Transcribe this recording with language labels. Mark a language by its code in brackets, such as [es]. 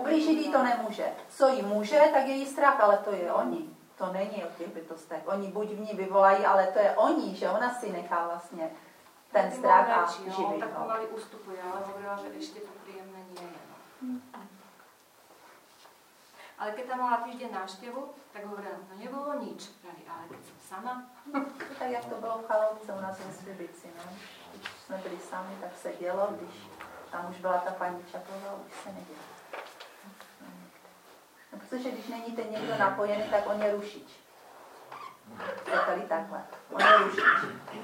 [cs] Ublížit jí to nemůže. Co jí může, tak je jí strach, ale to je oni. To není o těch bytostech. Oni buď v ní vyvolají, ale to je oni, že ona si nechá vlastně ten strach a živý. [sk] Tak pomalý ustupuje, ale hovorila, že ještě to příjemné nie je. Ale keď tam mala týždeň návštěvu, tak hovorila, no nebolo nič, pravi, ale keď som sama. Tak jak to bolo v Chalovce u nás v Svibici, no. [cs] Když sme byli sami, tak se dělo, když tam už byla ta paní Čapová, už se nedělo. No, protože když není ten někdo napojený, tak on je rušič. Je tady takhle, on je rušič.